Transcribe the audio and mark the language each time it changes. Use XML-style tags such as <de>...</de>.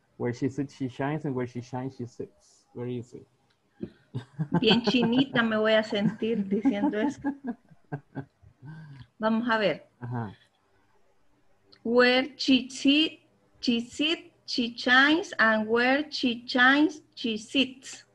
<en>Where she sits, she shines, and where she shines, she sits.</en> <es>Bien chinita me voy a sentir diciendo eso. Vamos a ver.</es> <en>Where she sit, she shines, and where she shines, she sits.</en>